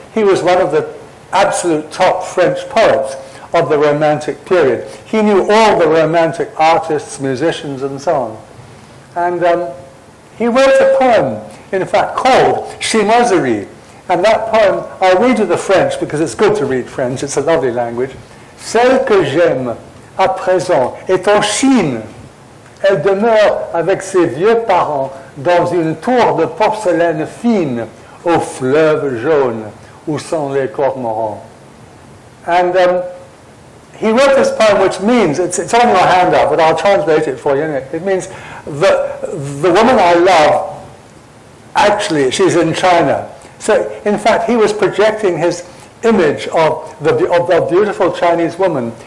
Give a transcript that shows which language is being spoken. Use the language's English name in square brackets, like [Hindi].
[English] He was one of the absolute top French poets of the Romantic period. He knew all the Romantic artists, musicians, and so on. And he wrote a poem, in fact, called Chinoiserie. And that poem, I'll read you the French, because it's good to read French, it's a lovely language. [French] Celle que j'aime à présent est en Chine. Elle demeure avec ses vieux parents dans une tour de porcelaine fine au fleuve jaune où sont les cormorants. [English] And he wrote this poem, which means, it's on your handout, but I'll translate it for you. It means, the woman I love, actually, she's in China. So, in fact, he was projecting his image of the beautiful Chinese woman.